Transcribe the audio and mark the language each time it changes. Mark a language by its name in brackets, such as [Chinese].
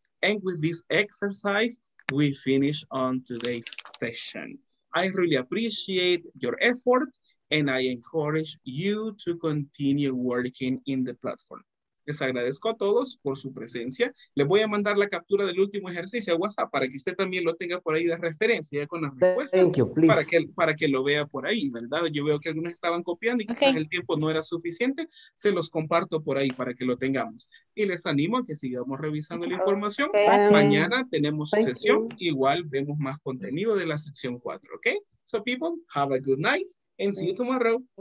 [English] And with this exercise, we finish on today's session. I really appreciate your effort, and I encourage you to continue working in the platform. [Spanish] Les agradezco a todos por su presencia. Les voy a mandar la captura del último ejercicio a WhatsApp para que usted también lo tenga por ahí de referencia ya con las respuestas. [English] Thank you, please. [Spanish] Para que lo vea por ahí, ¿verdad? Yo veo que algunos estaban copiando y quizás el tiempo no era suficiente. Se los comparto por ahí para que lo tengamos. Y les animo a que sigamos revisando la información. Okay. Mañana tenemos sesión. Igual vemos más contenido de la sección 4, ¿ok? [English] So people, have a good night and see you tomorrow.